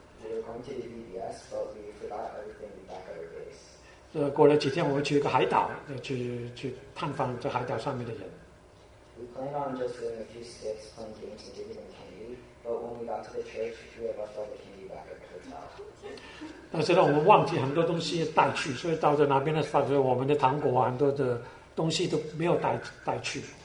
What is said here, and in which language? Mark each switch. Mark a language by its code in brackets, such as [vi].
[en] We were going to the VBS, but we forgot everything back at our base. [zh] 过了几天，我们去一个海岛，去探访这海岛上面的人。 [en] We planned on just doing a few skits, playing games, and giving them candy. But when we got to the church, three of us left the candy back at the hotel. [zh] 但是呢，我们忘记很多东西带去，所以到了那边呢，发觉我们的糖果啊，很多的东西都没有带去。